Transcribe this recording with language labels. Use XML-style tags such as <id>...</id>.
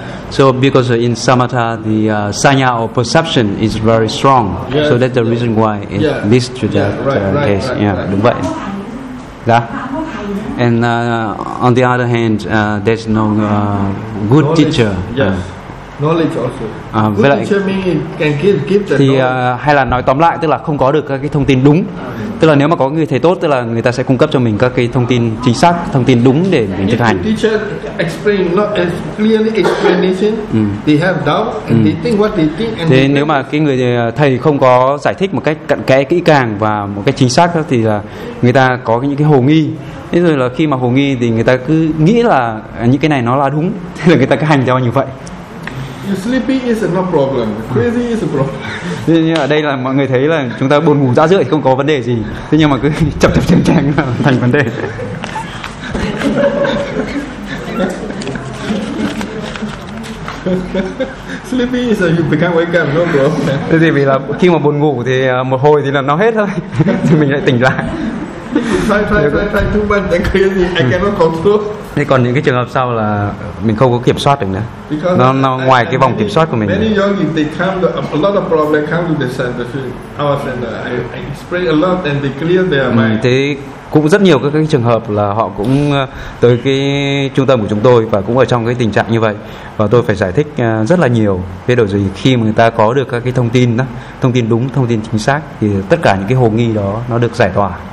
<en>So because in samatha the sanya or perception is very strong. Yes, so that's the reason why it leads to that case. Right.</en> <vi>Yeah, đúng vậy. Dạ.</vi> <en>And on the other hand, there's no good knowledge, teacher. Knowledge also. Good teacher means can give the</en> <vi>thì hay là nói tóm lại tức là không có được các cái thông tin đúng. Tức là nếu mà có người thầy tốt tức là người ta sẽ cung cấp cho mình các cái thông tin chính xác, thông tin đúng để mình thực hành.</vi> <en>Teacher explain not as clearly explanation. They have doubt and they think what they think and</en> <vi>thế nếu mà cái người thầy không có giải thích một cách cặn kẽ kỹ càng và một cách chính xác thì là người ta có những cái hồ nghi. Thế rồi là khi mà hồ nghi thì người ta cứ nghĩ là những cái này nó là đúng, thế là người ta cứ hành theo như vậy.</vi> <en>You sleepy is no problem. Crazy is a problem.</en> <vi>Nhưng ở đây là mọi người thấy là chúng ta buồn ngủ rã rượi thì không có vấn đề gì. Thế nhưng mà cứ chập chập chênh chênh là thành vấn đề.</vi> <en>Sleepy is you become wake up, no problem.</en> <vi>Thế thì vì là khi mà buồn ngủ thì một hồi thì là nó hết thôi. Thì mình lại tỉnh lại.</vi> <en>Try too much, then crazy. I cannot control.</en> <vi>Thế còn những cái trường hợp sau là mình không có kiểm soát được nữa.</vi> <en>Because</en> <vi>nó ngoài cái vòng kiểm soát của mình.</vi> <en>Many yogi they come to a lot of problem come to the center. Our center, I explain a lot and they clear their mind.</en> <vi>Thế cũng rất nhiều các cái trường hợp là họ cũng tới cái trung tâm của chúng tôi và cũng ở trong cái tình trạng như vậy, và tôi phải giải thích rất là nhiều. Thế đổi gì khi mà người ta có được các cái thông tin đó, thông tin đúng, thông tin chính xác thì tất cả những cái hồ nghi đó nó được giải tỏa.</vi>